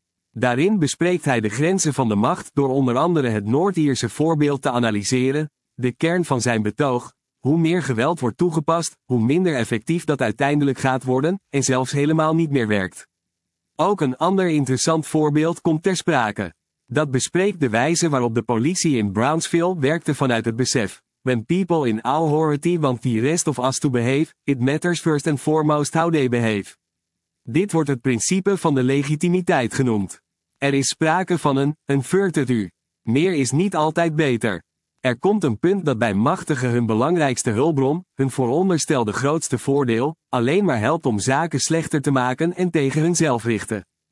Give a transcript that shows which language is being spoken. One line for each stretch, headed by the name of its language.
Dutch: Daarin bespreekt hij de grenzen van de macht door onder andere het Noord-Ierse voorbeeld te analyseren, de kern van zijn betoog, hoe meer geweld wordt toegepast, hoe minder effectief dat uiteindelijk gaat worden en zelfs helemaal niet meer werkt. Ook een ander interessant voorbeeld komt ter sprake. Dat bespreekt de wijze waarop de politie in Brownsville werkte vanuit het besef.
English: when people in authority want the rest of us to behave, it matters first and foremost how they behave.
Dutch: Dit wordt het principe van de legitimiteit genoemd. Er is sprake van een virtue. Meer is niet altijd beter. Er komt een punt dat bij machtigen hun belangrijkste hulpbron, hun vooronderstelde grootste voordeel, alleen maar helpt om zaken slechter te maken en tegen hunzelf richten.